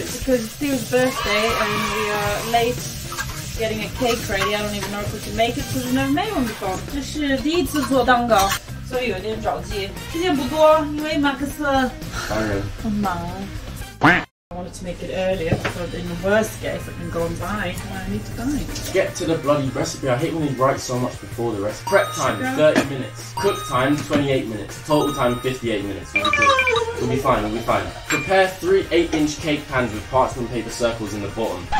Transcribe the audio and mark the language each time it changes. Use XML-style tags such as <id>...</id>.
<en>Because it's Theo's birthday and we are late getting a cake ready. I don't even know if we can make it because we've never made one before.</en> <zh>这是第一次做蛋糕，所以有点着急。时间不多，因为马克思很忙。</zh> <en>I wanted to make it earlier so that in the worst case I can go and buy what I need to buy. Get to the bloody recipe. I hate when you write so much before the recipe. Prep time, 30 minutes. Cook time, 28 minutes. Total time, 58 minutes. We'll be fine. Prepare 3 8-inch cake pans with parchment paper circles in the bottom.</en>